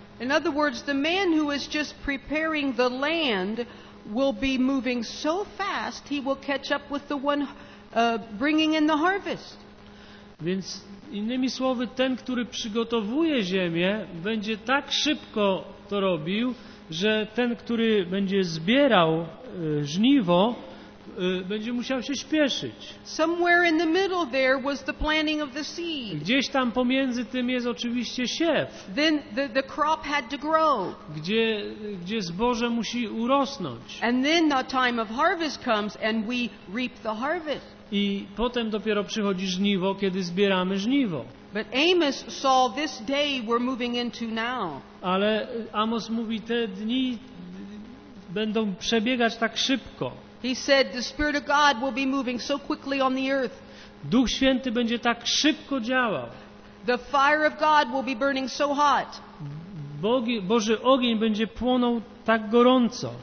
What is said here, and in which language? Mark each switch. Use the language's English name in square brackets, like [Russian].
[English] In other words, the man who is just preparing the land will be moving so fast he will catch up with the one bringing in the harvest. [Polish] Więc innymi słowy, ten, który przygotowuje ziemię, będzie tak szybko to robił, że ten, który będzie zbierał żniwo, będzie musiał się śpieszyć. [English] Somewhere in the middle there was the planting of the seed. [Polish] Gdzieś tam pomiędzy tym jest oczywiście siew. [English] Then the crop had to grow. [Polish] Gdzie zboże musi urosnąć. [English] And then the time of harvest comes and we reap the harvest. [Polish] I potem dopiero przychodzi żniwo, kiedy zbieramy żniwo. [English] But Amos saw this day we're moving into now. [Polish] Ale Amos mówi, te dni będą przebiegać tak szybko. [English] He said the Spirit of God will be moving so quickly on the earth. [Polish] Duch Święty będzie tak szybko działał. [English] The fire of God will be burning so hot. [Polish] Boży ogień będzie płonął tak gorąco.